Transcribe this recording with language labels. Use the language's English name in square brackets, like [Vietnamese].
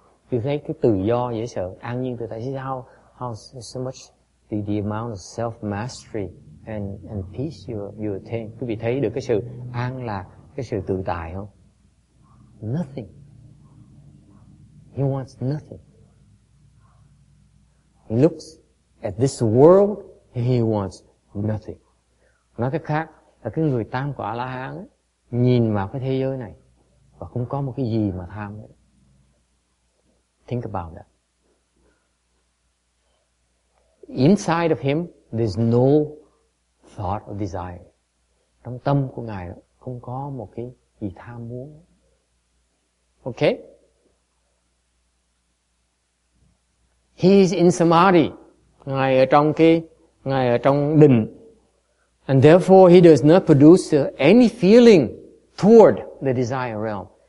[Vietnamese] You thấy cái tự do dễ sợ, an nhiên tự tại. [English] See how so much the amount of self-mastery and peace you attain. [Vietnamese] Quý vị thấy được cái sự an lạc, cái sự tự tại không? [English] Nothing. He wants nothing. He looks at this world, he wants nothing. [Vietnamese] Nói cách khác, là cái người tam quả la hán ấy, nhìn vào cái thế giới này và không có một cái gì mà tham nữa. [English] Think about that. Inside of him, there's no thought of desire. [Vietnamese] Trong tâm của Ngài đó, không có một cái gì tham muốn. Okay? [English] He is in samadhi. [Vietnamese] Ngài ở trong cái, Ngài ở trong định. [English] And therefore, he does not produce any feeling toward the desire realm.